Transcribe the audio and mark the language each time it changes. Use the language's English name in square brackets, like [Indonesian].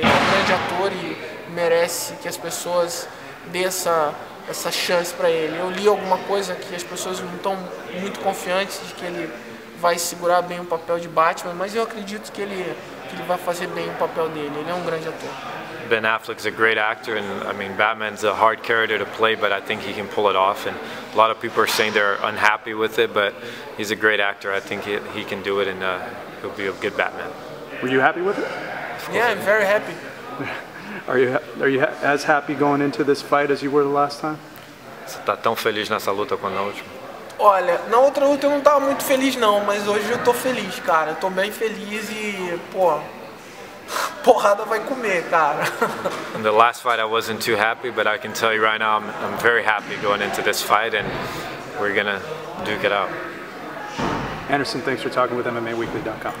[Portuguese] Ele é um grande ator e merece que as pessoas dêem essa chance para ele. Eu li alguma coisa que as pessoas não estão muito confiantes de que ele vai segurar bem o papel de Batman, mas eu acredito que ele vai fazer bem o papel dele. Ele é um grande ator. [English] Ben Affleck is a great actor, and I mean, Batman's a hard character to play, but I think he can pull it off. And a lot of people are saying they're unhappy with it, but he's a great actor. I think he can do it, and he'll be a good Batman. Were you happy with it? Yeah, I'm very happy. Are you as happy going into this fight as you were the last time? [Portuguese] Você tá tão feliz nessa luta quanto na última? Olha, na outra luta eu não tava muito feliz não, mas hoje eu tô feliz, cara. Eu tô bem feliz e pô. Porrada vai comer, cara. [English] In the last fight I wasn't too happy, but I can tell you right now I'm very happy going into this fight and we're gonna duke it out. Anderson, thanks for talking with MMAweekly.com.